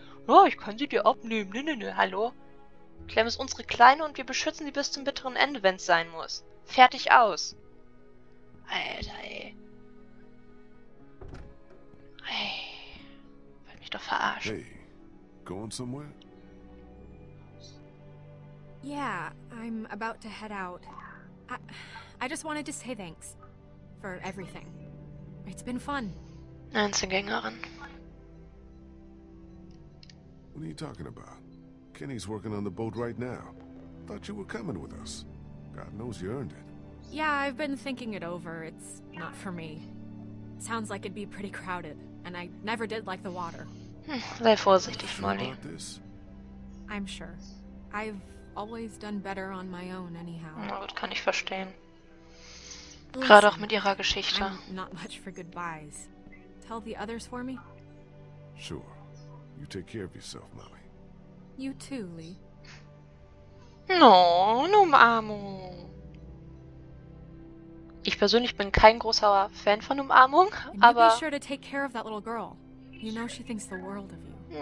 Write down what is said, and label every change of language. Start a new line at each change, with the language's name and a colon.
German: Oh, ich kann sie dir abnehmen, nö, hallo. Clem ist unsere Kleine und wir beschützen sie bis zum bitteren Ende, wenn es sein muss. Fertig, aus. Alter, ey. Ey, wollt mich doch verarschen.
English: Hey, Going somewhere? Yeah, I'm about to head out. I just wanted to say thanks for everything. It's been fun.
German: Einzelgängerin.
English: What are you talking about? Kenny's working on the boat right now. Thought you were coming with us. God knows you earned it. Yeah, I've been thinking it over. It's not for me. Sounds like it'd be pretty crowded, and I never did like the water.
German: Sei vorsichtig, Molly.
English: I'm sure. I've always done better on my own, anyhow.
German: Na gut, kann ich verstehen. Gerade auch mit ihrer Geschichte.
English: I'm not much for goodbyes. Tell the others for me. Sure. You take care of yourself, Molly. You too, Lee. No, no, Mamu.
German: Ich persönlich bin kein großer Fan von Umarmung, aber...
English: Be sure to take care of that little girl. You know she thinks the world of you.